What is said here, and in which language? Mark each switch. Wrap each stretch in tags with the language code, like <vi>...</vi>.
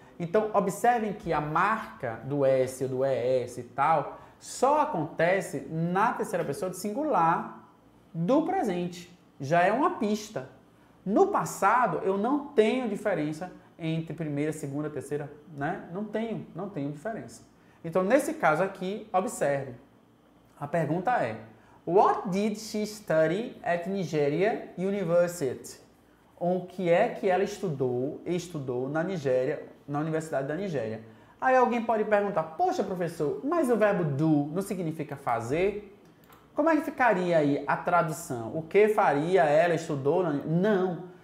<pt>Então, observem que a marca do S ou do ES e tal só acontece na terceira pessoa do singular do presente. Já é uma pista. No passado, eu não tenho diferença entre primeira, segunda, terceira, né? Não tenho diferença. Então, nesse caso aqui, observe. A pergunta é:</pt> <en>What did she study at Nigeria University?</en> <pt>O que é que ela estudou na Nigéria, na Universidade da Nigéria? Aí alguém pode perguntar: poxa, professor, mas o verbo do não significa fazer? Como é que ficaria aí a tradução? O que faria ela estudou? Não.</pt>